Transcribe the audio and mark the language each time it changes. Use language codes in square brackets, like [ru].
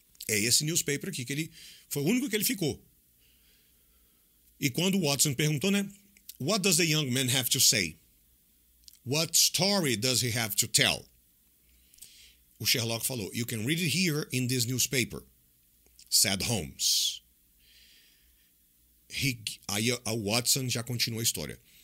[pt] É esse newspaper aqui que ele foi o único que ele ficou. E quando Watson perguntou, né? [en] What does the young man have to say? What story does he have to tell? [pt] O Sherlock falou, [en] you can read it here in this newspaper, said Holmes. [pt] He, aí a Watson já continua a história.